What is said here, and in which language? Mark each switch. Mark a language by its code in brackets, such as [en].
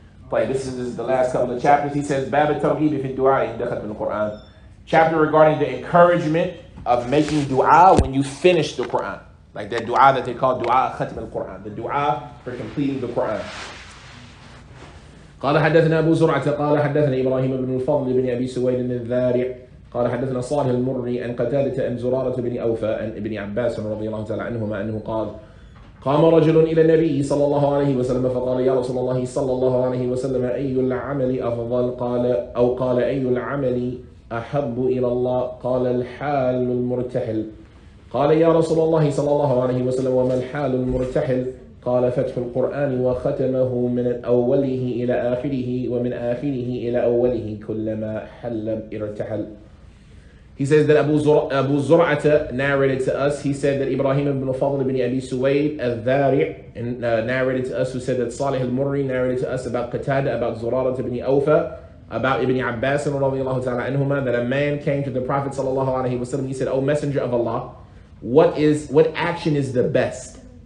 [en] But this is the last couple of chapters. He says, [ar] باب التوحيد في الدعاء دخل في القرآن. [en] Chapter regarding the encouragement of making dua when you finish the Quran. Like that dua that they call dua ختم القرآن. The dua for completing the Quran. [ar] قال حدثنا أبو زرعة قال حدثنا إبراهيم بن الفضل بن أبي سويد الذاري قال حدثنا صالح المري أن قتادة أن زرارة بن أوفى أن ابن عباس رضي الله تعالى عنهما أنه قال قام رجل إلى النبي صلى الله عليه وسلم فقال يا رسول الله صلى الله عليه وسلم أي العمل أفضل قال أو قال أي العمل أحب إلى الله قال الحال المرتحل قال يا رسول الله صلى الله عليه وسلم وما الحال المرتحل قال فتح القرآن وختمه من أوله إلى آخره ومن آخره إلى أوله كلما حل ارتحل. [en] He says that Abu Zur'ata narrated to us, he said that Ibrahim ibn Fadl ibn Abi Suwayd al-Dhari' narrated to us, who said that Salih al-Murri narrated to us about Qatada, about Zurarat ibn Awfa, about Ibn Abbas radiallahu ta'ala anhumah, that a man came to the Prophet sallallahu alayhi wa sallam, he said, O Messenger of Allah, what action is the best?